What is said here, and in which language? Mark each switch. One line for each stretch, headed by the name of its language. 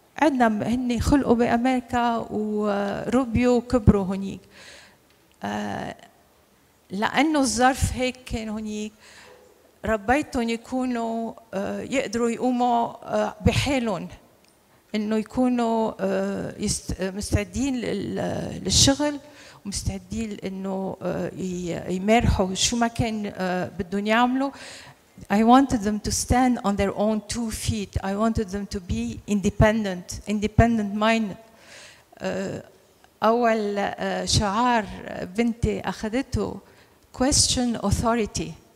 Arabic: عندنا هن خلقوا بأمريكا وربيوا وكبروا هنيك، لأنه الظرف هيك كان هنيك، ربيتهم يكونوا يقدروا يقوموا بحالهم، إنه يكونوا مستعدين للشغل ومستعدين إنه يمارحوا شو ما كان بدهم يعملوا.
English: I wanted them to stand on their own two feet. I wanted them to be independent, independent mind.
Arabic: أول شعار بنتي أخذته
English: question authority.